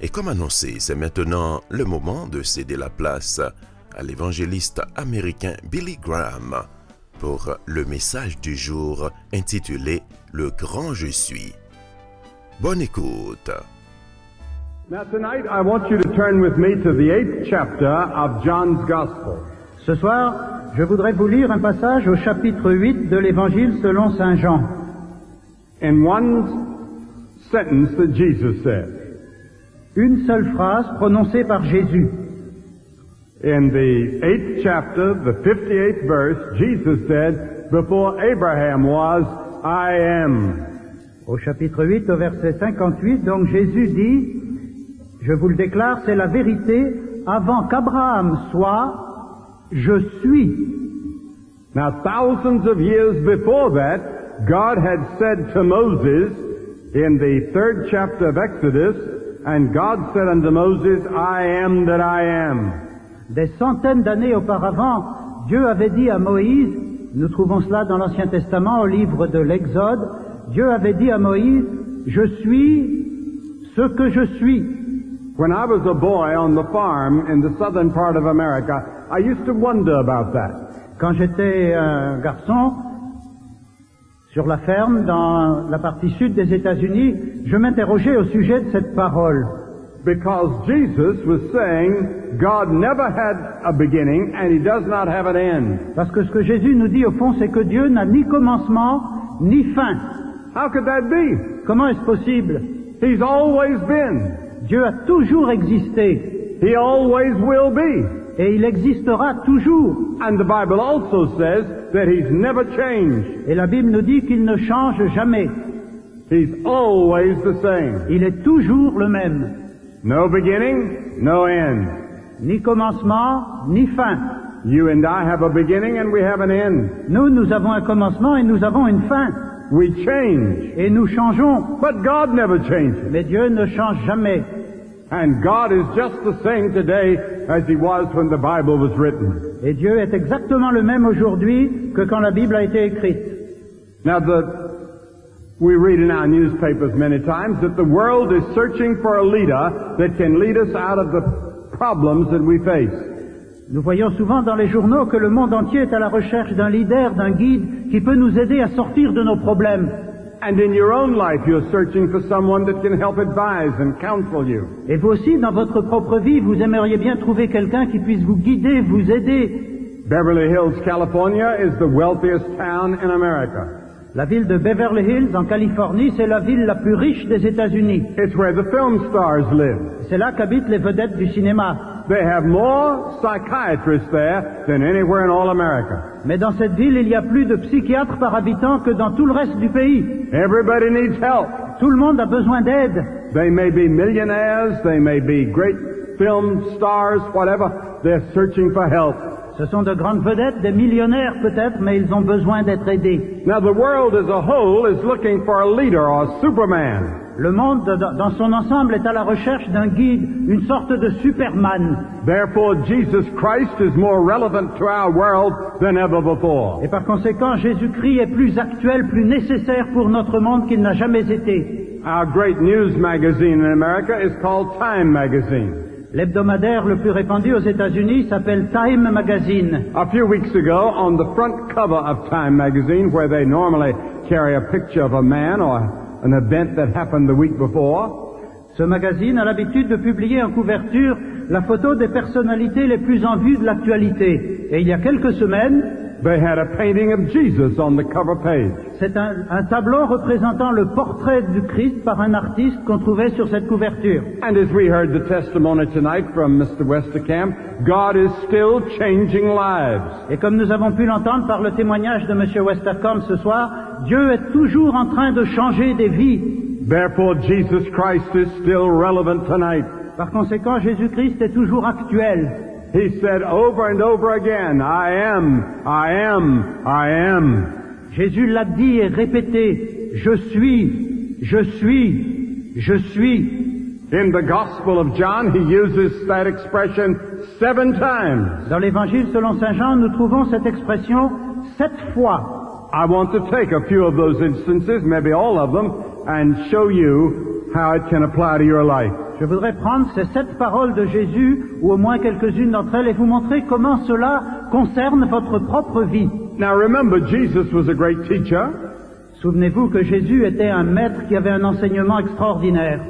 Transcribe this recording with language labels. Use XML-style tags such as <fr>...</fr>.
<fr>Et comme annoncé, c'est maintenant le moment de céder la place à l'évangéliste américain Billy Graham pour le message du jour intitulé « Le grand Je suis ». Bonne écoute.</fr> <en>Now tonight, I want you to turn with me to the 8th chapter of John's Gospel.</en> <fr>Ce soir, je voudrais vous lire un passage au chapitre 8 de l'Évangile selon saint Jean.</fr> <en>In one sentence that Jesus said.</en> <fr>Une seule phrase prononcée par Jésus.</fr> <en>In the 8th chapter, the 58th verse, Jesus said, before Abraham was, I am.</en> <fr>Au chapitre 8, au verset 58, donc Jésus dit, je vous le déclare, c'est la vérité, avant qu'Abraham soit, je suis.</fr> <en>Now thousands of years before that, God had said to Moses in the 3rd chapter of Exodus, and God said unto Moses, I am that I am.</en> <fr>Des centaines d'années auparavant, Dieu avait dit à Moïse, nous trouvons cela dans l'Ancien Testament au livre de l'Exode, Dieu avait dit à Moïse, je suis ce que je suis.</fr> <en>When I was a boy on the farm in the southern part of America, I used to wonder about that.</en> <fr>Quand j'étais un garçon sur la ferme dans la partie sud des États-Unis, je m'interrogeais au sujet de cette parole.</fr> <en>Because Jesus was saying God never had a beginning and he does not have an end.</en> <fr>Parce que ce que Jésus nous dit au fond, c'est que Dieu n'a ni commencement ni fin.</fr> <en>How could that be?</en> <fr>Comment est-ce possible?</fr> <en>He's always been.</en> <fr>Dieu a toujours existé.</fr> <en>He always will be.</en> <fr>Et il existera toujours.</fr> <en>And the Bible also says that he's never changed.</en> <fr>Et la Bible nous dit qu'il ne change jamais.</fr> <en>He's always the same.</en> <fr>Il est toujours le même.</fr> <en>No beginning, no end.</en> <fr>Ni commencement, ni fin.</fr> <en>You and I have a beginning and we have an end.</en> <fr>Nous, nous avons un commencement et nous avons une fin.</fr> <en>We change.</en> <fr>Et nous changeons.</fr> <en>But God never changes.</en> <fr>Mais Dieu ne change jamais.</fr> <en>And God is just the same today as he was when the Bible was written.</en> <fr>Et Dieu est exactement le même aujourd'hui que quand la Bible a été écrite.</fr> <en>Now that we read in our newspapers many times that the world is searching for a leader that can lead us out of the problems that we face.</en> <fr>Nous voyons souvent dans les journaux que le monde entier est à la recherche d'un leader, d'un guide qui peut nous aider à sortir de nos problèmes.</fr> <en>And in your own life, you're searching for someone that can help advise and counsel you.</en> <fr>Et vous aussi, dans votre propre vie, vous aimeriez bien trouver quelqu'un qui puisse vous guider, vous aider.</fr> <en>Beverly Hills, California, is the wealthiest town in America.</en> <fr>La ville de Beverly Hills, en Californie, c'est la ville la plus riche des États-Unis.</fr> <en>It's where the film stars live.</en> <fr>C'est là qu'habitent les vedettes du cinéma.</fr> <en>They have more psychiatrists there than anywhere in all America.</en> <fr>Mais dans cette ville, il y a plus de psychiatres par habitant que dans tout le reste du pays.</fr> <en>Everybody needs help.</en> <fr>Tout le monde a besoin d'aide.</fr> <en>They may be millionaires, they may be great film stars, whatever. They're searching for help.</en> <fr>Ce sont de grandes vedettes, des millionnaires peut-être, mais ils ont besoin d'être aidés.</fr> <en>Now the world as a whole is looking for a leader or a Superman.</en> <fr>Le monde, dans son ensemble, est à la recherche d'un guide, une sorte de Superman.</fr> <en>Therefore, Jesus Christ is more relevant to our world than ever before.</en> <fr>Et par conséquent, Jésus-Christ est plus actuel, plus nécessaire pour notre monde qu'il n'a jamais été.</fr> <en>Our great news magazine in America is called Time Magazine.</en> <fr>L'hebdomadaire le plus répandu aux États-Unis s'appelle Time Magazine.</fr> <en>A few weeks ago, on the front cover of Time Magazine, where they normally carry a picture of a man or an event that happened the week before.</en> <fr>Ce magazine a l'habitude de publier en couverture la photo des personnalités les plus en vue de l'actualité. Et il y a quelques semaines,</fr> <en>they had a painting of Jesus on the cover page.</en> <fr>C'est un tableau représentant le portrait du Christ par un artiste qu'on trouvait sur cette couverture.</fr> <en>And as we heard the testimony tonight from Mr. Westerkamp, God is still changing lives.</en> <fr>Et comme nous avons pu l'entendre par le témoignage de Monsieur Westerkamp ce soir, Dieu est toujours en train de changer des vies.</fr> <en>Therefore, Jesus Christ is still relevant tonight.</en> <fr>Par conséquent, Jésus-Christ est toujours actuel.</fr> <en>He said over and over again, I am, I am, I am.</en> <fr>Jésus l'a dit et répété, je suis, je suis, je suis.</fr> <en>In the Gospel of John, he uses that expression 7 times.</en> <fr>Dans l'Évangile selon Saint Jean, nous trouvons cette expression 7 fois.</fr> <en>I want to take a few of those instances, maybe all of them, and show you how it can apply to your life.</en> <fr>Je voudrais prendre ces 7 paroles de Jésus, ou au moins quelques-unes d'entre elles, et vous montrer comment cela concerne votre propre vie.</fr> <en>Now remember, Jesus was a great teacher.</en> <fr>Souvenez-vous que Jésus était un maître qui avait un enseignement extraordinaire.</fr>